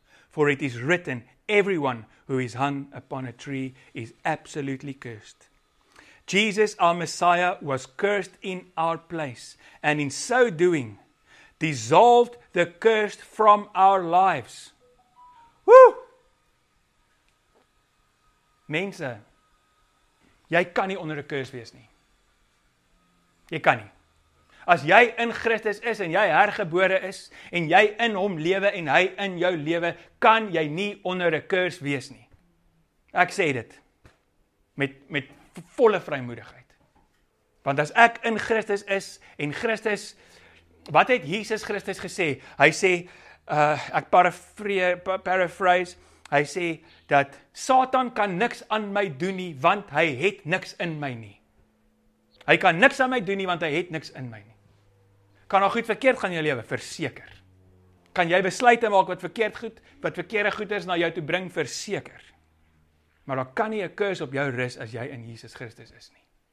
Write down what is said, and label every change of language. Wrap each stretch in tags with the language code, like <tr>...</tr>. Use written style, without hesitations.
<en>For it is written, everyone who is hung upon a tree is absolutely cursed. Jesus, our Messiah, was cursed in our place, and in so doing, dissolved the curse from our lives. Woo!</en> <af>Mense, jy kan nie onder 'n curse wees nie. Jy kan nie. As jy in Christus is en jy hergebore is en jy in hom lewe en hy in jou lewe, kan jy nie onder 'n curse wees nie. Ek sê dit met volle vrymoedigheid. Want as ek in Christus is en Christus, wat het Jesus Christus gesê? Hy sê, ek paraphrase, hy sê dat Satan kan niks aan my doen nie, want hy het niks in my nie. Hy kan niks aan my doen nie, want hy het niks in my nie. Kan al goed verkeerd gaan in jou lewe? Verseker. Kan jy besluite maak wat verkeerd goed, wat verkeerde goed is na jou toe bring? Verseker. Maar daar kan nie 'n curse op jou rus as jy in Jesus Christus is nie.</af>